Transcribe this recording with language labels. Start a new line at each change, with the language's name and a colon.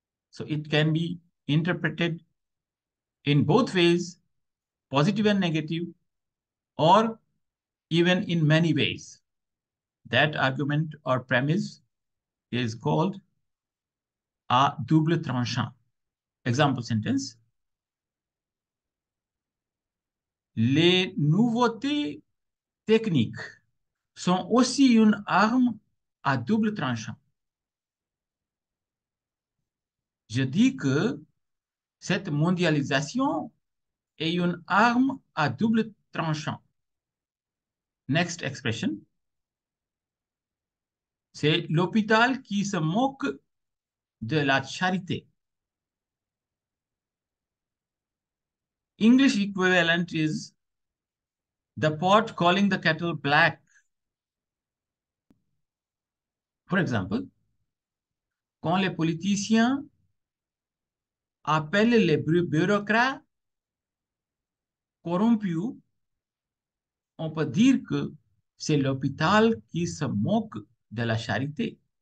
English: So it can be interpreted in both ways, positive and negative, or even in many ways. That argument or premise is called a double tranchant. Example sentence.
French: Les nouveautés techniques sont aussi une arme à double tranchant. Je dis que cette mondialisation est une arme à double tranchant.
English: Next expression.
French: C'est l'hôpital qui se moque de la charité.
English: English equivalent is the pot calling the kettle black. For example,
French: quand les politiciens appellent les bureaucrates corrompus, on peut dire que c'est l'hôpital qui se moque de la charité.